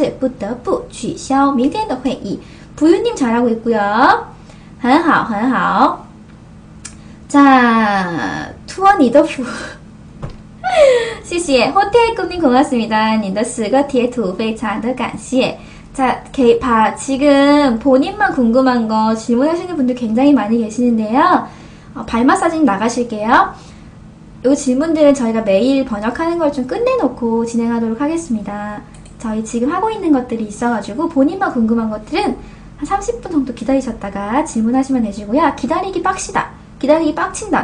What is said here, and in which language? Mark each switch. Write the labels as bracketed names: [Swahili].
[Chinese] 不好意思我方突然有急事不得不取消明天的会议. [Korean] 부유님 잘하고 있고요. [Chinese] 很好很好. [Korean] 자, 투어 니더프 谢谢 호텔 꿈님 고맙습니다. [Chinese] 你的十个贴图非常的感谢. [Korean] 자, 케이팝 지금 본인만 궁금한 거 질문하시는 분들 굉장히 많이 계시는데요. 발마사진 나가실게요. 요 질문들은 저희가 매일 번역하는 걸 좀 끝내놓고 진행하도록 하겠습니다. 저희 지금 하고 있는 것들이 있어가지고 본인만 궁금한 것들은 한 30분 정도 기다리셨다가 질문하시면 되시고요. 기다리기 빡시다. 기다리기 빡친다.